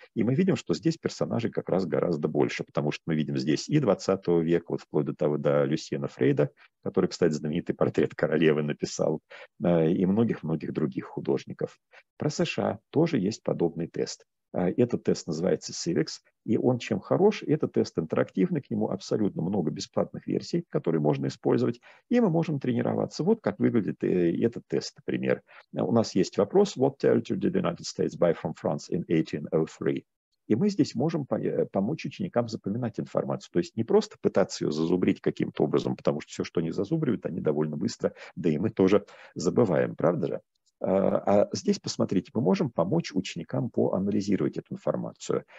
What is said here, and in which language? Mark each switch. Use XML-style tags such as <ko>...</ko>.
<ru>И мы видим, что здесь персонажей как раз гораздо больше, потому что мы видим здесь и 20 века, вот вплоть до того, до Люсьена Фрейда, который, кстати, знаменитый портрет королевы написал, и многих-многих других художников. Про США тоже есть подобный тест. Этот тест называется Civics, и он чем хорош? Этот тест интерактивный, к нему абсолютно много бесплатных версий, которые можно использовать, и мы можем тренироваться. Вот как выглядит этот тест, например. У нас есть вопрос:</ru> <en>What territory did the United States buy from France in 1803?</en> <ru>И мы здесь можем помочь ученикам запоминать информацию. То есть не просто пытаться ее зазубрить каким-то образом, потому что все, что они зазубривают, они довольно быстро, да и мы тоже забываем, правда же? А здесь, посмотрите, мы можем помочь ученикам поанализировать эту информацию.</ru>